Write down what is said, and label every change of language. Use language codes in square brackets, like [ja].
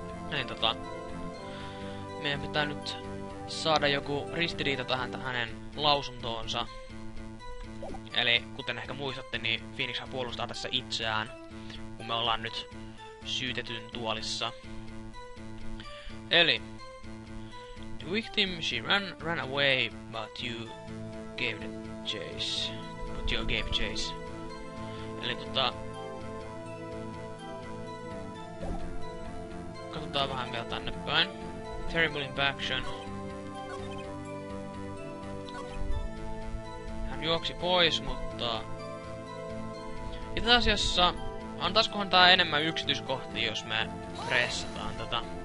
[fi] Niin meidän pitää nyt saada joku ristiriita tähän hänen lausuntoonsa. Eli kuten ehkä muistatte, niin Phoenix puolustaa tässä itseään, kun me ollaan nyt syytetyn tuolissa. [en] Eli the victim, she ran away, but you gave the chase. But you gave chase. [fi] Eli katsotaan vähän vielä tänne päin. [en] Terrible impaction. [fi] Hän juoksi pois, mutta itse asiassa antaiskohan tää enemmän yksityiskohtia, jos me pressataan tätä.